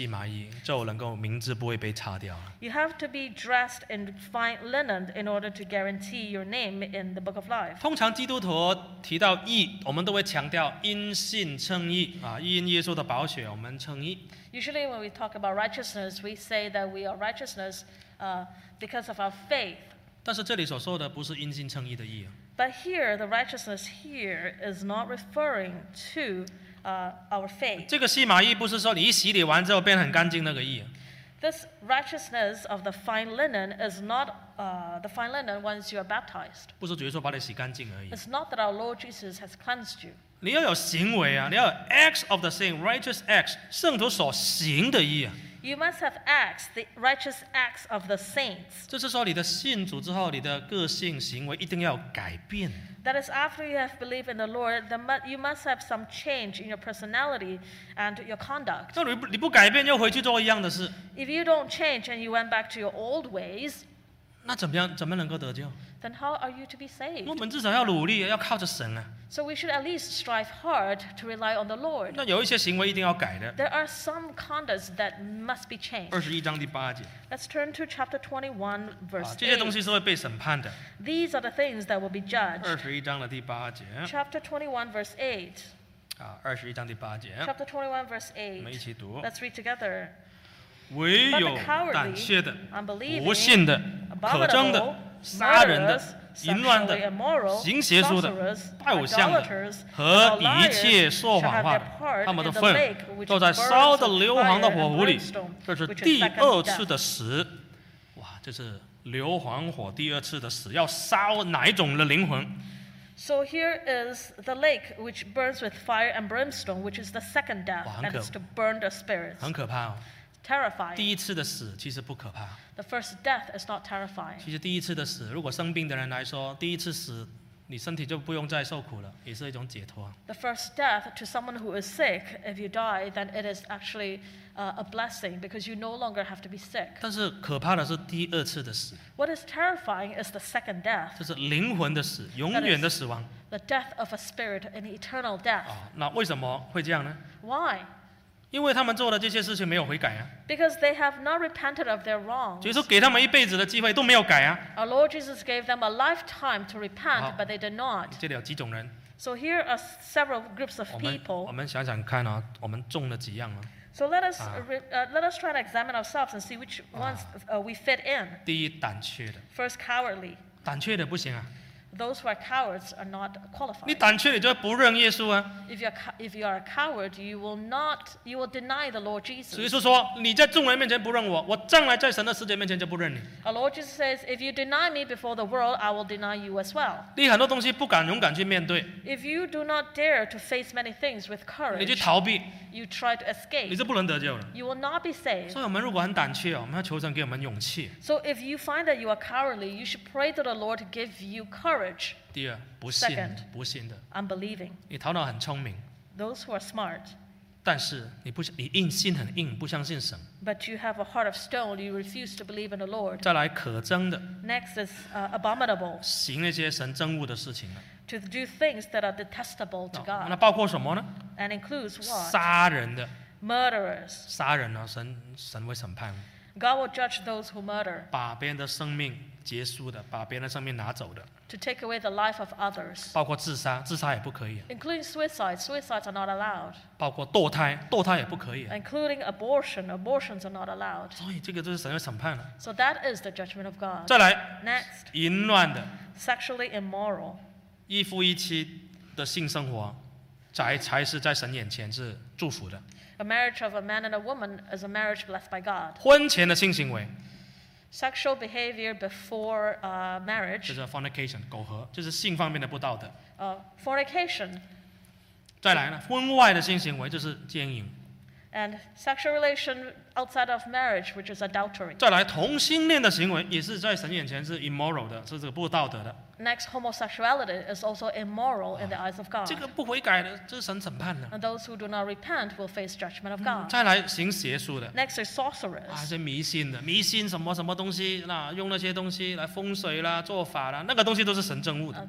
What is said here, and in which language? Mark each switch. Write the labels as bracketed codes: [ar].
[zh] 受蒙恩得穿光明洁白的细麻衣，这细麻衣就是圣徒所行的义。我们要有穿这个细麻衣，就能够名字不会被擦掉。 [en] You have to be dressed in fine linen in order to guarantee your name in the book of life. [zh] 通常基督徒提到义，我们都会强调因信称义啊，因耶稣的宝血我们称义。 [en] Usually when we talk about righteousness, we say that we are righteousness because of our faith. [zh] 但是这里所说的不是因信称义的义啊。 [en] But here, the righteousness here is not referring to our faith. [zh] 这个细麻衣不是说你一洗礼完之后变很干净那个义。 [en] This righteousness of the fine linen is not the fine linen once you are baptized. [zh] 不是主耶稣把你洗干净而已。 [en] It's not that our Lord Jesus has cleansed you. [zh] 你要有行为啊，你要有 [en] acts of the saint, righteous acts, [zh] 圣徒所行的义啊。 [en] You must have acts, the righteous acts of the saints. [zh] 这是说你的信主之后，你的个性行为一定要改变。 [en] That is, after you have believed in the Lord, you must have some change in your personality and your conduct. [zh] 那你不改变，又回去做一样的事。 [en] If you don't change and you went back to your old ways, [zh] 那怎么样？怎么能够得救？ [en] then how are you to be saved? [zh] 我们至少要努力, 要靠着神啊。 [en] So we should at least strive hard to rely on the Lord. [zh] 那有一些行为一定要改的。 [en] There are some conducts that must be changed. [zh] 21章第8节。 [en] Let's turn to chapter 21, verse 8. [zh] 这些东西是会被审判的。 [en] These are the things that will be judged. [zh] 21章的第8节。 [en] Chapter 21, verse 8. [zh] 21章第8节, [en] Chapter 21, verse 8. [zh] 我们一起读, [en] Let's read together. [zh] 唯有胆怯的, 不信的, 可憎的, 杀人的, 淫乱的, 行邪术的, 拜偶像的, 和一切说谎话的, 他们的份, 都在烧的硫磺的火壶里, 这是第二次的死, 哇, 这是硫磺火第二次的死, 要烧哪种的灵魂? [en] So here is the lake which burns with fire and brimstone, which is the second death, [zh] 哇, [en] and it's to burn the spirits. [zh] 很可怕哦, [en] terrifying. [zh] 第一次的死其实不可怕。 [en] The first death is not terrifying. [zh] 其实第一次的死, 如果生病的人来说, 第一次死, 你身体就不用再受苦了, 也是一种解脱。 [en] The first death to someone who is sick, if you die, then it is actually a blessing because you no longer have to be sick. [zh] 但是可怕的是第二次的死。 [en] What is terrifying is the second death. [zh] 就是灵魂的死, 永远的死亡。 [en] The death of a spirit, an eternal death. [zh] 那为什么会这样呢? [en] Why? [zh] 因为他们做的这些事情没有悔改啊。 [en] Because they have not repented of their wrongs. [zh] 就是给他们一辈子的机会, 都没有改啊。 [en] Our Lord Jesus gave them a lifetime to repent, but they did not. [zh] 这里有几种人。 [en] So here are several groups of people. [zh] 我们想想看啊, 我们中了几样啊。 [en] So let us try to examine ourselves and see which ones we fit in. [zh] 第一,胆怯的。 [en] First, cowardly. [zh] 胆怯的不行啊。 [en] Those who are cowards are not qualified. [zh] 你胆怯你就不认耶稣啊。 [en] If you are a coward, you will deny the Lord Jesus. [zh] 所以说你在众人面前不认我, 我将来在神的世界面前就不认你。 [en] Our Lord Jesus says, if you deny me before the world, I will deny you as well. [zh] 你很多东西不敢勇敢去面对。 [en] If you do not dare to face many things with courage, [zh] 你去逃避, [en] you try to escape, [zh] 你是不能得救的。 [en] You will not be saved. [zh] 所以我们如果很胆怯哦, 我们要求神给我们勇气。 [en] So if you find that you are cowardly, you should pray to the Lord to give you courage. [zh] 第二,不信的, [en] unbelieving. [zh] 你头脑很聪明, [en] those who are smart. [zh] 但是你硬心很硬,不相信神。 [en] But you have a heart of stone, you refuse to believe in the Lord. [zh] 再来可憎的, [en] next is abominable. [zh] 行那些神憎恶的事情啊。 [en] To do things that are detestable to God. [zh] 那包括什么呢? [en] And includes what? [zh] 杀人的, [en] murderers. [zh] 杀人啊, 神会审判。 [en] God will judge those who murder. [zh] 把别人的生命结束的, 把别人的生命拿走的。 [en] To take away the life of others. [zh] 包括自杀, 自杀也不可以。 [en] Including suicide, suicides are not allowed. [zh] 包括堕胎, 堕胎也不可以。 [en] Including abortion, abortions are not allowed. [zh] 所以这个就是神的审判了。 [en] So that is the judgment of God. [zh] 再来, [en] next, [zh] 淫乱的, [en] sexually immoral. [zh] 一夫一妻的性生活, 才是在神眼前是祝福的。 [en] A marriage of a man and a woman is a marriage blessed by God. [zh] 婚前的性行为, [en] sexual behavior before marriage. [zh] 这是 fornication, 苟合, 这是性方面的不道德。 [en] Fornication. [zh] 再来呢, 婚外的性行为, 这是奸淫。 [en] And sexual relation outside of marriage, which is adultery. [zh] 再来, 同性恋的行为, 也是在神眼前是 immoral的, 是这个不道德的。 [en] Next, homosexuality is also immoral in the eyes of God. [zh] 这个不悔改的, 这是神审判的。 [en] And those who do not repent will face judgment of God. [zh] 再来行邪术的。 [en] Next is sorcerers. [zh] 这迷信的, 迷信什么什么东西, 那, 用那些东西来风水啦, 做法啦, 那个东西都是神憎恶的。